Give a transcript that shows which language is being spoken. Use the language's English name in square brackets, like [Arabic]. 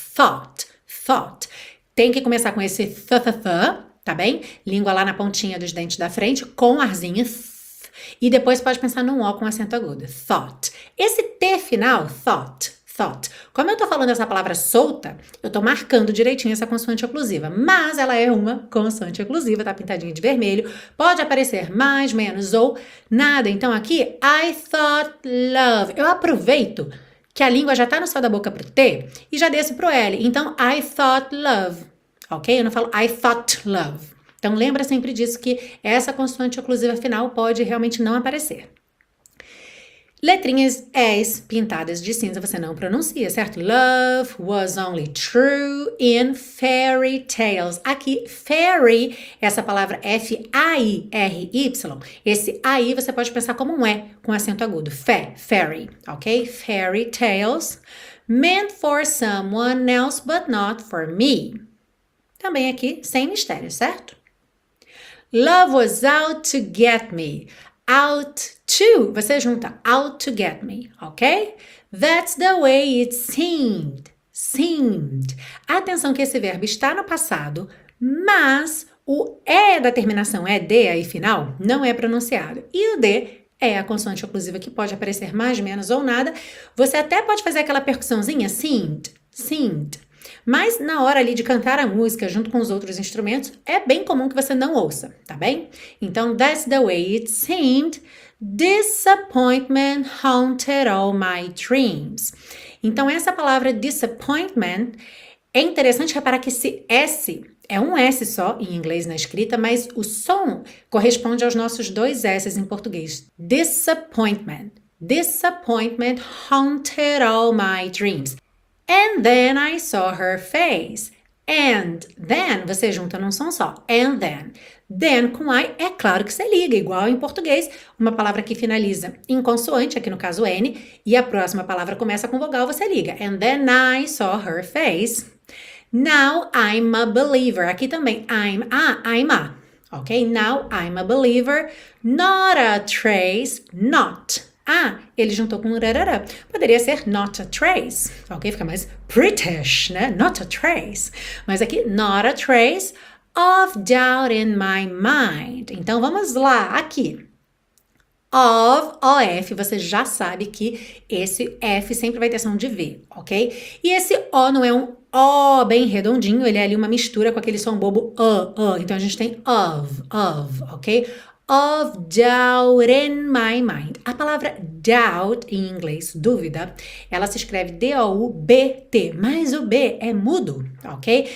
[Portuguese] Thought, thought. Tem que começar com esse th-th-th, tá bem? Língua lá na pontinha dos dentes da frente, com arzinho th. E depois pode pensar num O com acento agudo. [English] Thought. [Portuguese] Esse T final, thought, thought. Como eu tô falando essa palavra solta, eu tô marcando direitinho essa consoante oclusiva. Mas ela é uma consoante oclusiva, tá pintadinha de vermelho. Pode aparecer mais, menos ou nada. Então aqui, [English] I thought love. [Portuguese] Eu aproveito que a língua já tá no céu da boca pro T e já desço pro L. [English] Então, I thought love. Ok? [Portuguese] Eu não falo [English] I thought love. [Portuguese] Então, lembra sempre disso, que essa consoante oclusiva final pode realmente não aparecer. Letrinhas S pintadas de cinza, você não pronuncia, certo? [English] Love was only true in fairy tales. [Portuguese] Aqui, fairy, essa palavra F-A-I-R-Y. Esse A-I você pode pensar como um E, com acento agudo. Fé, fairy, ok? [English] Fairy tales meant for someone else but not for me. [Portuguese] Também aqui, sem mistério, certo? [English] Love was out to get me. Out to. [Portuguese] Você junta [English] out to get me, ok? That's the way it seemed. Seemed. [Portuguese] Atenção que esse verbo está no passado, mas o E da terminação ED aí final não é pronunciado. E o D é a consoante oclusiva que pode aparecer mais, menos ou nada. Você até pode fazer aquela percussãozinha, seemed, seemed. Mas na hora ali de cantar a música junto com os outros instrumentos, é bem comum que você não ouça, tá bem? [English] Então, that's the way it seemed. Disappointment haunted all my dreams. [Portuguese] Então, essa palavra disappointment, é interessante reparar que esse S é um S só em inglês na escrita, mas o som corresponde aos nossos dois S em português. [English] Disappointment. Disappointment haunted all my dreams. And then I saw her face. And then, [Portuguese] você junta num som só. [English] And then. [Portuguese] Then com I, é claro que você liga, igual em português. Uma palavra que finaliza em consoante, aqui no caso N, e a próxima palavra começa com vogal, você liga. [English] And then I saw her face. Now I'm a believer. [Portuguese] Aqui também, [English] I'm a. Ok? Now I'm a believer. Not a trace, not. [Portuguese] Ah, ele juntou com rarara. Poderia ser [English] not a trace. Ok? Fica mais British, né? Not a trace. [Portuguese] Mas aqui, [English] not a trace of doubt in my mind. [Portuguese] Então, vamos lá. Aqui. Of, O-F. Você já sabe que esse F sempre vai ter som de V, ok? E esse O não é um O bem redondinho. Ele é ali uma mistura com aquele som bobo Então, a gente tem of, ok? Of doubt in my mind. A palavra doubt em inglês, dúvida, ela se escreve D-O-U-B-T, mas o B é mudo, ok?